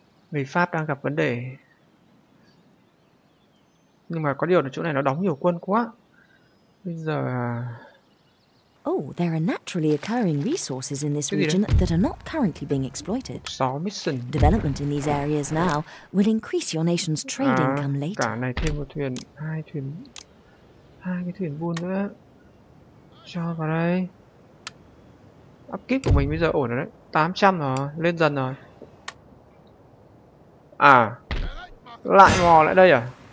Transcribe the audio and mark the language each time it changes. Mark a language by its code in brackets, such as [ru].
[vi] Người Pháp đang gặp vấn đề. Nhưng mà có điều là chỗ này nó đóng nhiều quân quá. Bây giờ... [en] Oh, there are naturally occurring resources in this region that are not currently being exploited. Development in these areas now will increase your nation's trade income later. [vi] Cả này thêm một thuyền, hai cái thuyền buôn nữa. Cho vào đây. Upkeep của mình bây giờ ổn rồi đấy, 800 rồi, lên dần rồi. À, lại mò lại đây à?